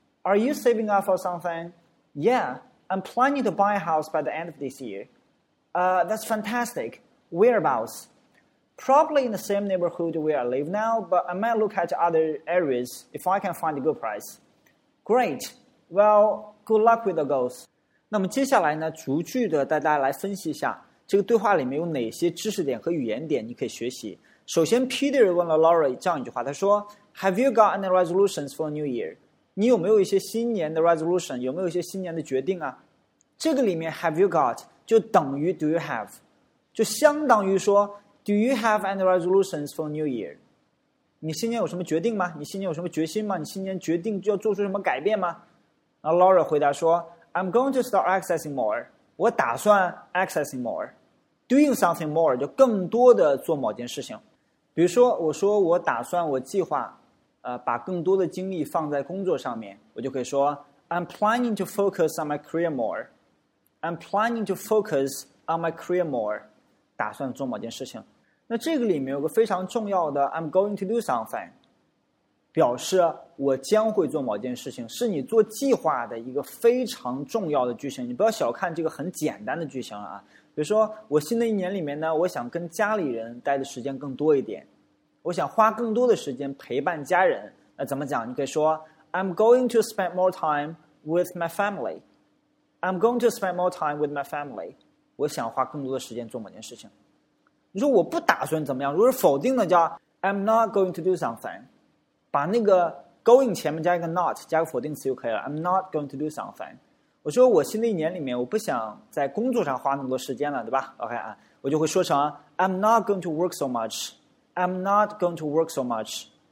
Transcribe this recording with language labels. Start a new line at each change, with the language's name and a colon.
English: Are you saving up for something? Yeah, I'm planning to buy a house by the end of this year. That's fantastic. Whereabouts? Probably in the same neighborhood where I live now, but I might look at other areas if I can find a good price. Great. Well, good luck with the goals.
Chinese: 那么接下来呢，逐句的带大家来分析一下，这个对话里面有哪些知识点和语言点你可以学习。首先 ,Peter 问了 Laura 这样一句话，他说 ,
English: Have you got any resolutions for New Year?
Chinese: 你有没有一些新年的 resolution? 有没有一些新年的决定啊? 这个里面
English: have you got
Chinese: 就等于
English: do you have?
Chinese: 就相当于说
English: do you have any resolutions for New Year?
Chinese: 你新年有什么决定吗?你新年有什么决心吗? 你新年决定就要做出什么改变吗? 然后
English: Laura
Chinese: 回答说
English: I'm going to start exercising more.
Chinese: 我打算
English: exercising more. Doing something more
Chinese: 就更多的做某件事情。比如说我说我打算我计划把更多的精力放在工作上面，我就可以说
English: I'm planning to focus on my career more. I'm planning to focus on my career more.
Chinese: 打算做某件事情。那这个里面有个非常重要的
English: I'm going to do something.
Chinese: 表示我将会做某件事情，是你做计划的一个非常重要的句型。你不要小看这个很简单的句型啊。比如说我新的一年里面呢，我想跟家里人待的时间更多一点，我想花更多的时间陪伴家人。那怎么讲？你可以说
English: I'm going to spend more time with my family. I'm going to spend more time with my family.
Chinese: 我想花更多的时间做某件事情。你说我不打算怎么样，如果是否定的叫
English: I'm not going to do something.
Chinese: 把那个 going 前面加一个 not， 加个否定词就可以了。
English: I'm not going to do something.
Chinese: 我说我新的一年里面我不想在工作上花那么多时间了，对吧？
English: OK 啊，
Chinese: 我就会说成
English: I'm not going to work so muchI'm not going to work so much.